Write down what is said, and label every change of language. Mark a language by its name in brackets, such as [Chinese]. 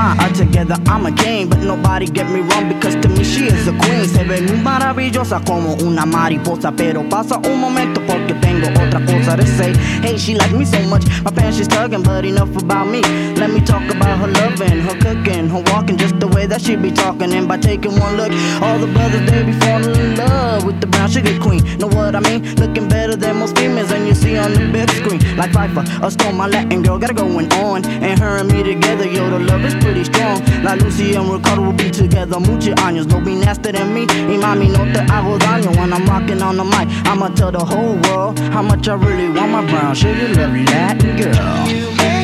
[English] Together I'm a king, but nobody get me wrong, because to me she is a queen. [Spanish] Se ve muy maravillosa como una mariposa, pero pasa un momento porque tengo otra cosa [English] to say. Hey, she likes me so much, my pants she's tugging, but enough about me. Let me talk about her loving, her cooking, her walking, just the way that she be talking. And by taking one look, all the brothers they be falling in love with the brown sugar queen. Know what I mean? Looking better than most females and you see on the big screen. Like Pfeiffer, a storm, my Latin girl got it going on. And her and me together, yo, the love is pretty strong. La Lucy and Ricardo will be together [Spanish] muchos años. [English] Don't be nastier than me, [Spanish] y mami no te hago daño. [English] When I'm rocking on the mic, I'ma tell the whole world how much I really want my brown sugar, lovely Latin girl.